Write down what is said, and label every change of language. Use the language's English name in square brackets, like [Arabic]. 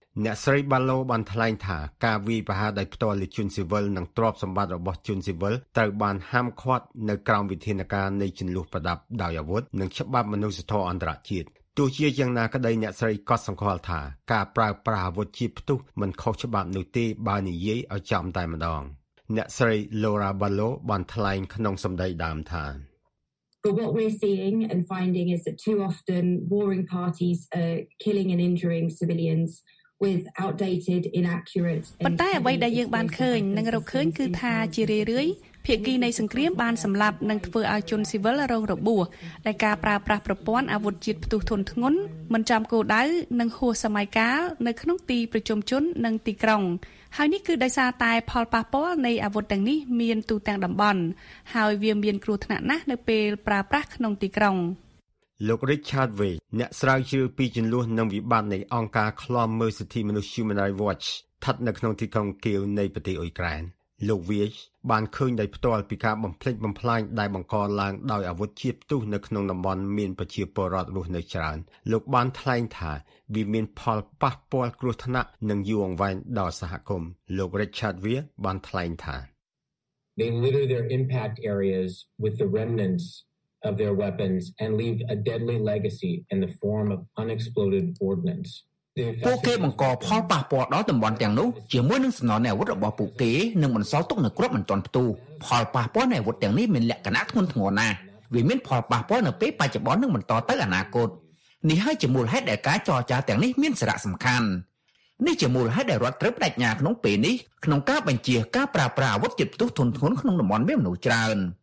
[Khmer] អ្នកស្រី Bolo បានថ្លែងថាការវាយប្រហារដោយផ្ទាល់លើជនស៊ីវិលនិងទ្រព្យសម្បត្តិរបស់ជនស៊ីវិលត្រូវបានហាមឃាត់នៅក្រោមវិធានការនៃចំនួនប្រដាប់ដោយអាវុធនិងច្បាប់មនុស្សធម៌អន្តរជាតិទោះជាយ៉ាងណាក្តីអ្នកស្រីក៏សង្ឃឹមថាការប្រើប្រាស់អាវុធជាតិផ្ទុះមិនខុសច្បាប់នោះទេបើនិយាយឲ្យចំតែម្ដងអ្នកស្រី Laura Bolo បានថ្លែងក្នុងសម្ដីដើមថា [English] But what we're seeing and finding is that too often warring parties are killing and injuring civilians with outdated inaccurate [Khmer] ប៉ុន្តែអ្វីដែលយើងបានឃើញនិងរកឃើញគឺថាជារឿយៗភាគីនៃសង្គ្រាមបានសម្លាប់និងធ្វើឲ្យជនស៊ីវិលរងរបួសដោយការប្រើប្រាស់ប្រព័ន្ធអាវុធជាតិផ្ទុះធនធ្ងន់មិនចំគោលដៅនិងហួសសម័យកាលនៅក្នុងទីប្រជុំជននិងទីក្រុងហើយនេះគឺដោយសារតែផលប៉ះពាល់នៃអាវុធទាំងនេះមានទូទាំងតំបន់ហើយវាមានគ្រោះថ្នាក់ណាស់នៅពេលប្រើប្រាស់ក្នុងទីក្រុង លោក Richard Wade អ្នកស្រាវជ្រាវពីចំនួននិងវិបត្តិនៃអង្គការឃ្លាំមើលសិទ្ធិមនុស្ស Human Rights Watch ស្ថិតនៅក្នុងទីក្រុងគៀវនៃប្រទេសអ៊ុយក្រែនលោកវីជបានឃើញដោយផ្ទាល់ពីការបំផ្លិចបំផ្លាញដែលបង្កឡើងដោយអាវុធជាតិផ្ទុះនៅក្នុងតំបន់មានប្រជាពលរដ្ឋរស់នៅច្រើនលោកបានថ្លែងថាវាមានផលប៉ះពាល់គ្រោះថ្នាក់និងយូរអង្វែងដល់សហគមន៍លោក Richard Weir បានថ្លែងថា [English] They litter their impact areas with the remnants of their weapons and leave a deadly legacy in the form of unexploded ordnance. [Khmer] ពួកគេបង្កផលប៉ះពាល់ដល់តំបន់ទាំងនោះជាមួយនឹងសំណល់នៃអាវុធរបស់ពួកគេនិងបន្សល់ទុកនូវគ្រាប់មិនទាន់ផ្ទុះផលប៉ះពាល់នៃអាវុធទាំងនេះមានលក្ខណៈធ្ងន់ធ្ងរណាស់វាមានផលប៉ះពាល់នៅពេលបច្ចុប្បន្ននិងបន្តទៅអនាគតនេះហើយជាមូលហេតុដែលការចរចាទាំងនេះមានសារៈសំខាន់នេះជាមូលហេតុដែលរដ្ឋត្រូវបដិញ្ញាក្នុងពេលនេះក្នុងការបញ្ជាការប្រើប្រាស់អាវុធជាតិផ្ទុះធ្ងន់ធ្ងរក្នុងតំបន់មានមនុស្សច្រើន